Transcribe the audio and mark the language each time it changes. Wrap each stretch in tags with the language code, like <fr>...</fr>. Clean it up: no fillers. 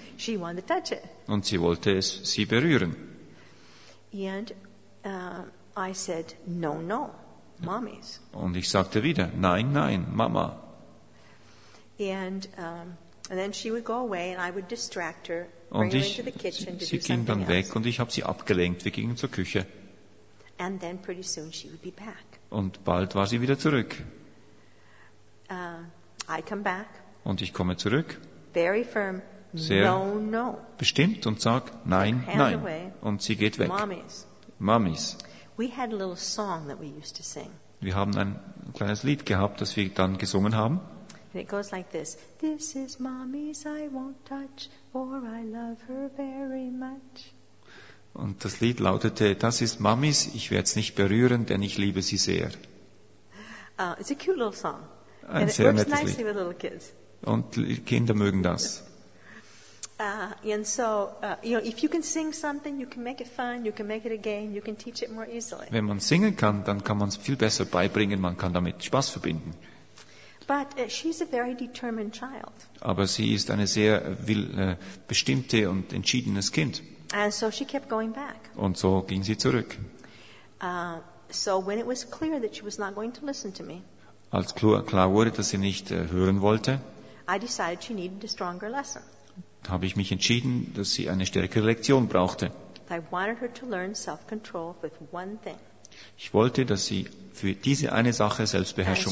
<en>She wanted to touch it.</en> <de>Und sie wollte es sie berühren.</de> <en>And I said, no, no, mommies.</en> <de>Und ich sagte wieder, nein, nein, Mama.</de> <en>And then she would go away and I would distract her.</en> <de>Und sie ging dann weg und ich habe sie abgelenkt. Wir gingen zur Küche.</de> <en>And then pretty soon she would be back.</en> <de>Und bald war sie wieder zurück.</de> <en>I come back.</en> <de>Und ich komme zurück.</de> <en>Very firm.</en> <de>Sehr</de> <en>no, no.</en> <de>Bestimmt und sage, nein, nein.</de> <en>Away.</en> <de>Und sie geht weg.</de> <en>Mommies. Mommies. We had a little song that we used to sing.</en> <de>Wir haben ein kleines Lied gehabt, das wir dann gesungen haben.</de> <en>And it goes like this. This is Mommy's I won't touch, for I love her very much.</en> <de>Und das Lied lautete, das ist Mommy's, ich werde es nicht berühren, denn ich liebe sie sehr.</de> <en>It's a cute little song.</en> <de>Ein</de> <en>and</en> <de>sehr</de> <en>it works</en> <de>nettes</de> <en>nicely</en> <de>Lied.</de> <en>With little kids.</en> <de>Und Kinder mögen das.</de> <en>And so, you know, if you can sing something, you can make it fun, you can make it a game, you can teach it more easily.</en> <de>Wenn man singen kann, dann kann man es viel besser beibringen, man kann damit Spaß verbinden.</de> <en>But she's a very determined child.</en> <de>Aber sie ist eine sehr bestimmte und entschiedenes Kind.</de> <en>And so she kept going back.</en> <de>Und so ging sie zurück.</de> <en>So when it was clear that she was not going to listen to me,</en> <de>als klar wurde, dass sie nicht hören wollte,</de> <en>I decided she needed a stronger lesson.</en> <de>Habe ich mich entschieden, dass sie eine stärkere Lektion brauchte.</de> <en>I wanted her to learn self-control with one thing.</en> <de>Ich wollte, dass sie für diese eine Sache Selbstbeherrschung</de>